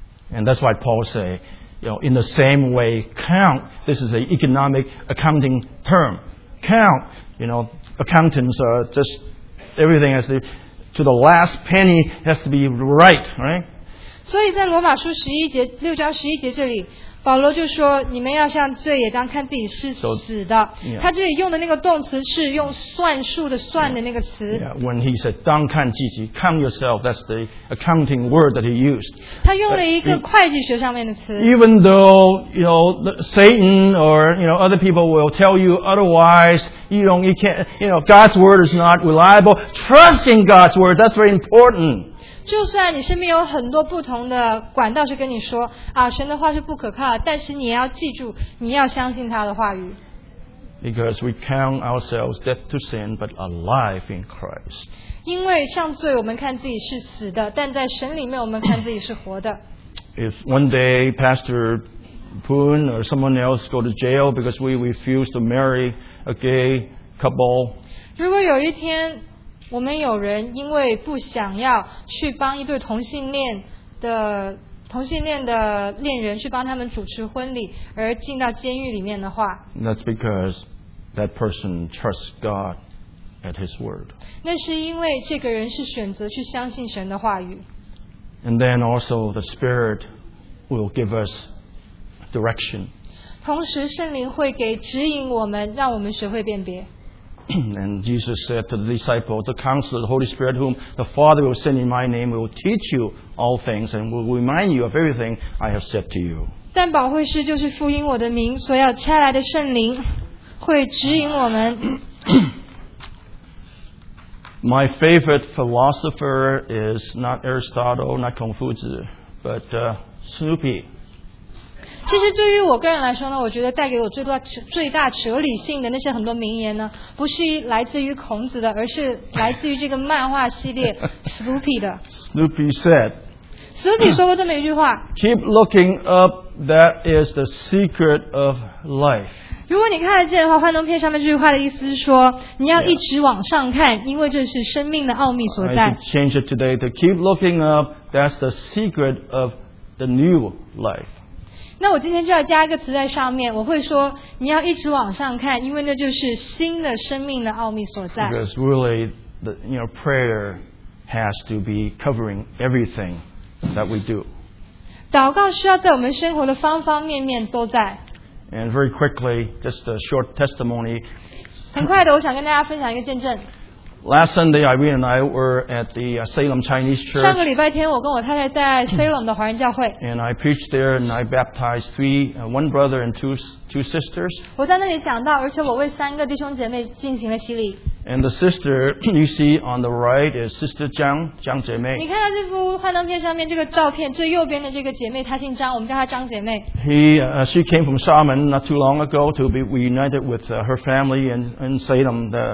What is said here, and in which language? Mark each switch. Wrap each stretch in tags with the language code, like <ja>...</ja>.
<en>And that's why Paul say, in the same way, count, this is an economic accounting term, count, accountants are just, everything has to the last penny has to be right, right?</en> <zh>所以在罗马书十一节六章十一节这里，保罗就说你们要向罪也当看自己是死的。他这里用的那个动词是用算数的算的那个词。</zh> <en>When he said</en> <zh>当看自己</zh> <en>count yourself, that's the accounting word that he used.</en> <zh>他用了一个会计学上面的词。</zh> <en>Even though, you know, Satan or, you know, other people will tell you otherwise, you know, God's word is not reliable. Trust in God's word, that's very important.</en> <zh>就算你身边有很多不同的管道是跟你说啊，神的话是不可靠，但是你要记住，你要相信他的话语。</zh> <en>Because we count ourselves dead to sin, but alive in Christ.</en> <zh>因为像罪，我们看自己是死的，但在神里面，我们看自己是活的。</zh> <en>If one day Pastor Poon or someone else go to jail because we refuse to marry a gay couple,</en> <zh>如果有一天。我们有人因为不想要去帮一对同性恋的恋人去帮他们主持婚礼而进到监狱里面的话。</zh> <en>That's because that person trusts God at His word.</en> <zh>那是因为这个人是选择去相信神的话语。</zh> <en>And then also the Spirit will give us direction.</en> <zh>同时圣灵会给指引我们，让我们学会辨别。</zh> <en>And Jesus said to the disciples, the counselor, the Holy Spirit, whom the Father will send in my name, will teach you all things and will remind you of everything I have said to you.</en> <zh>但保惠师就是父因我的名所要差来的圣灵会指引我们。</zh> <en>My favorite philosopher is not Aristotle, not Confucius, but Snoopy.</en> <zh>其实对于我个人来说呢，我觉得带给我最大哲理性的那些很多名言呢，不是来自于孔子的，而是来自于这个漫画系列 Snoopy 的。</zh> <en>Snoopy said.</en> <zh>Snoopy 说过这么一句话。</zh> <en>Keep looking up. That is the secret of life.</en> <zh>如果你看得见的话，幻灯片上面这句话的意思是说，你要一直往上看，因为这是生命的奥秘所在。</zh> <en>I should change it today to keep looking up. That's the secret of the new life.</en> <zh>那我今天就要加一个词在上面，我会说你要一直往上看，因为那就是新的生命的奥秘所在。</zh> <en>Because really, the, you know, prayer has to be covering everything that we do.</en> <zh>祷告需要在我们生活的方方面面都在。</zh> <en>And very quickly, just a short testimony.</en> <zh>很快的，我想跟大家分享一个见证。</zh> <en>Last Sunday, Irene and I were at the Salem Chinese Church.</en> <zh>上个礼拜天，我跟我太太在 Salem 的华人教会。</zh> <en>And I preached there, and I baptized one brother and two sisters.</en> <zh>我在那里讲道，而且我为三个弟兄姐妹进行了洗礼。</zh> <en>And the sister you see on the right is Sister Zhang, Zhang 姐妹。</en> <zh>你看到这幅幻灯片上面这个照片，最右边的这个姐妹，她姓张，我们叫她张姐妹。</zh> <en>She came from Xiamen not too long ago to be reunited with her family in Salem.</en>